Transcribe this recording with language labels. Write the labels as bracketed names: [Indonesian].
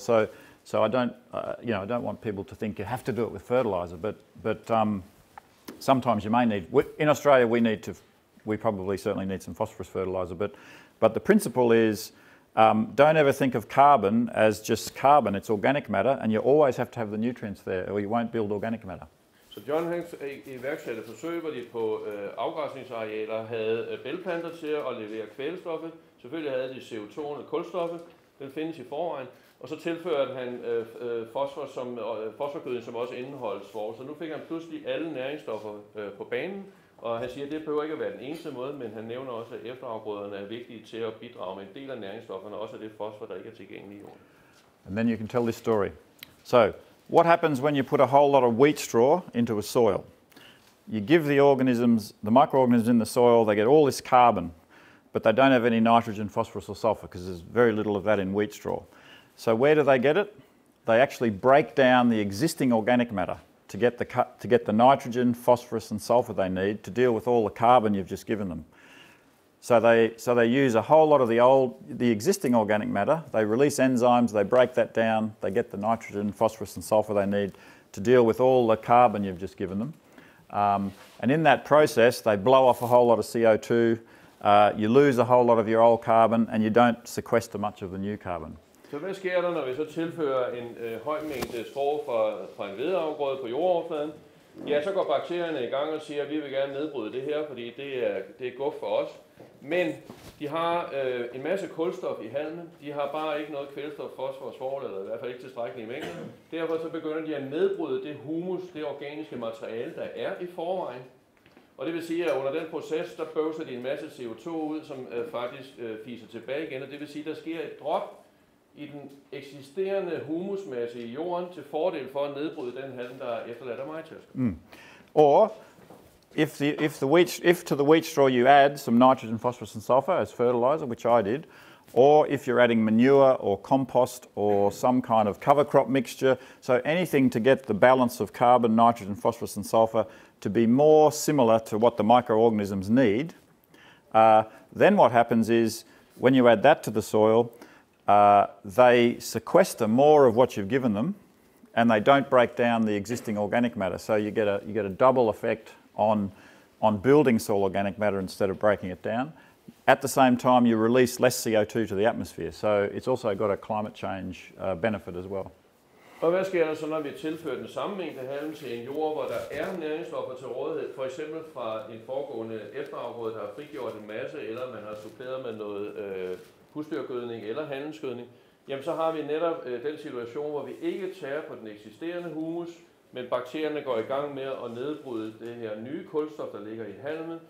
[English] So I don't, you know, I don't want people to think you have to do it with fertilizer, but sometimes you may need. In Australia, we probably need some phosphorus fertilizer, but the principle is, don't ever think of carbon as just carbon. It's organic matter, and you always have to have the nutrients there, or you won't build organic matter. [Danish] Så John Hanks iværksatte forsøg, hvor de på afgræsningsarealer havde bælgplanter til at levere kvælstoffet. Selvfølgelig havde de CO2'en og kulstoffet. Den findes i forvejen. Og så tilførte han fosforgødning, som også indeholdt svovl. Så nu fik han pludselig alle næringsstoffer på banen. Og han siger, at det behøver ikke at være den eneste måde, men han nævner også, at efterafgrøderne er vigtige til at bidrage med en del af næringsstofferne, også af det fosfor, der ikke er tilgængeligt i jorden. [English] And then you can tell this story. So, what happens when you put a whole lot of wheat straw into a soil? You give the organisms, the microorganisms in the soil, they get all this carbon, but they don't have any nitrogen, phosphorus or sulfur, because there's very little of that in wheat straw. So where do they get it? They actually break down the existing organic matter to get the nitrogen, phosphorus and sulfur they need to deal with all the carbon you've just given them. So they use a whole lot of the existing organic matter. They release enzymes, they break that down, they get the nitrogen, phosphorus and sulfur they need to deal with all the carbon you've just given them. And in that process, they blow off a whole lot of CO2, you lose a whole lot of your old carbon and you don't sequester much of the new carbon. [Danish] Så hvad sker der, når vi så tilfører en høj mængde svovl fra en hvedeafgrøde på jordoverfladen? Ja, så går bakterierne i gang og siger, at vi vil gerne nedbryde det her, fordi det er guf for os. Men de har en masse kulstof i halmen. De har bare ikke noget kvælstof, fosfor og svovl, eller i hvert fald ikke tilstrækkeligt i mængden. Derfor så begynder de at nedbryde det humus, det organiske materiale, der er i forvejen. Og det vil sige, at under den proces, der bøvser de en masse CO2 ud, som faktisk fiser tilbage igen. Og det vil sige, at der sker et drop i den eksisterende humusmasse i jorden til fordel for at nedbryde den halm, der er efterladt af majtærsker. Mm. [English] Or if to the wheat straw you add some nitrogen, phosphorus and sulfur as fertilizer, which I did, or if you're adding manure or compost or some kind of cover crop mixture, so anything to get the balance of carbon, nitrogen, phosphorus and sulfur to be more similar to what the microorganisms need, then what happens is when you add that to the soil, they sequester more of what you've given them and they don't break down the existing organic matter. So you get a double effect on building soil organic matter instead of breaking it down. At the same time, you release less CO2 to the atmosphere. So it's also got a climate change benefit as well. [Danish] Og hvad sker der så, når vi tilfører den samme mængde halm til en jord, hvor der er næringsstoffer til rådighed, for eksempel fra en foregående efterafgrøde, der har frigjort en masse, eller man har suppleret med noget husdyrgødning eller handelsgødning, jamen så har vi netop den situation, hvor vi ikke tager på den eksisterende humus, men bakterierne går i gang med at nedbryde det her nye kulstof, der ligger i halmen.